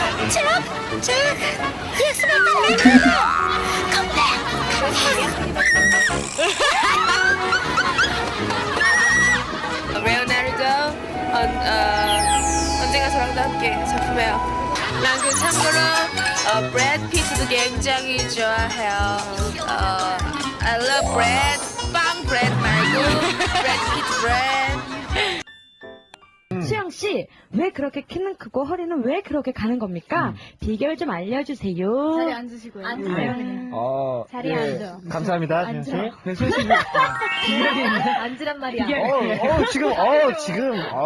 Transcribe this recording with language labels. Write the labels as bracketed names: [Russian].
[Korean] 체력! 체력! 예스만 빨리! 컴백! 레오나르도, 언젠가 저랑도 함께 작품해요. 난 그 참고로 브래드 피트도 굉장히 좋아해요. [English] I love bread. [Korean] 빵 bread 말고 bread pizza bread. 수영 씨, 왜 그렇게 키는 크고 허리는 왜 그렇게 가는 겁니까? 비결 좀 알려주세요. 자리 앉으시고요. 앉아요. 네. 자리 네. 앉아. 감사합니다. 앉아. 네, 수영 씨. 앉으란 말이야. 지금.